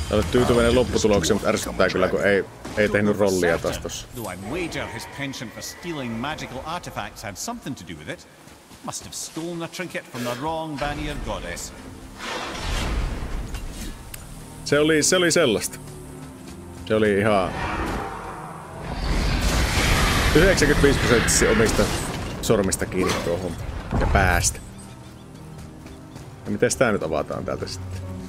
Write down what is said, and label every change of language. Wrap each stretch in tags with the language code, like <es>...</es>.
<fi>Tyytyväinen lopputulokseen, mutta ärsyttää kyllä, kun ei tehnyt rollia taas tossa.</fi> <en>I wager his penchant for stealing magical artifacts had something to do with it. Must have stolen a trinket from the wrong Vanir goddess.</en> <fi>Se oli sellaista. Se oli ihan 95% omista sormista kiinni tuohon ja päästä. Ja mites tää nyt avataan täältä sitten?</fi>